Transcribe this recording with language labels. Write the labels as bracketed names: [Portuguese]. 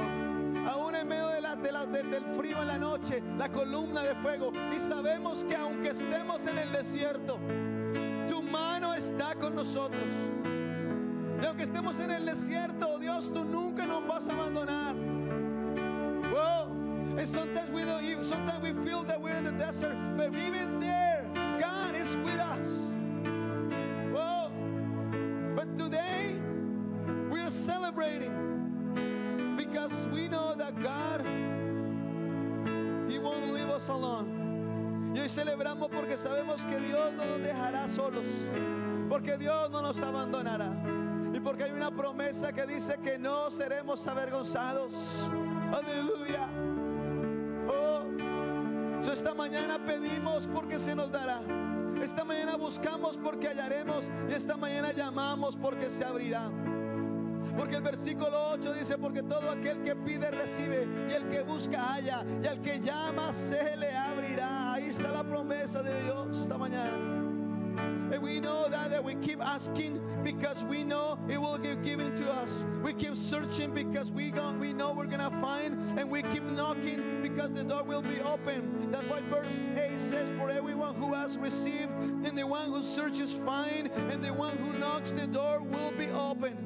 [Spanish] Aún en medio del frío en la noche, la columna de fuego. Y sabemos que aunque estemos en el desierto, tu mano está con nosotros. Y aunque estemos en el desierto, Dios, tú nunca nos vas a abandonar. [English] Oh, and sometimes we feel that we're in the desert, but even there, God is with us. Oh, but today we are celebrating because we know that God, He won't leave us alone. [Spanish] Y hoy celebramos porque sabemos que Dios no nos dejará solos, porque Dios no nos abandonará, y porque hay una promesa que dice que no seremos avergonzados. Aleluya. Oh, so esta mañana pedimos porque se nos dará. Esta mañana buscamos porque hallaremos. Y esta mañana llamamos porque se abrirá. Porque el versículo 8 dice: porque todo aquel que pide recibe, y el que busca halla, y al que llama se le abrirá. Ahí está la promesa de Dios esta mañana. [English] And we know that we keep asking because we know it will be given to us. We keep searching because we know we're going to find. And we keep knocking because the door will be open. That's why verse 8 says, for everyone who has received, and the one who searches find, and the one who knocks, the door will be open.